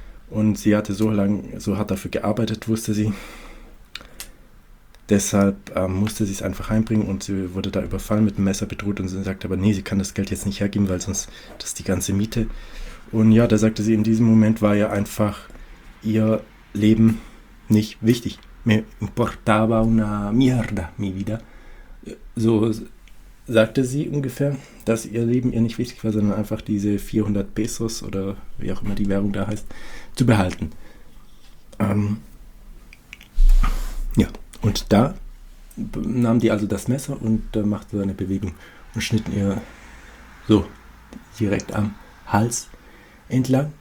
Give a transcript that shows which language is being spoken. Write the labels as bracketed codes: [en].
[de] Und sie hatte so hart dafür gearbeitet, wusste sie. Deshalb musste sie es einfach heimbringen und sie wurde da überfallen, mit dem Messer bedroht und sie sagte aber, nee, sie kann das Geld jetzt nicht hergeben, weil sonst das die ganze Miete. Und ja, da sagte sie, in diesem Moment war ja einfach ihr Leben nicht wichtig. [es] Me importaba una mierda mi vida. [de] So sagte sie ungefähr, dass ihr Leben ihr nicht wichtig war, sondern einfach diese 400 Pesos oder wie auch immer die Währung da heißt, zu behalten. Ja. Und da nahm die also das Messer und machte seine Bewegung und schnitten ihr so direkt am Hals entlang.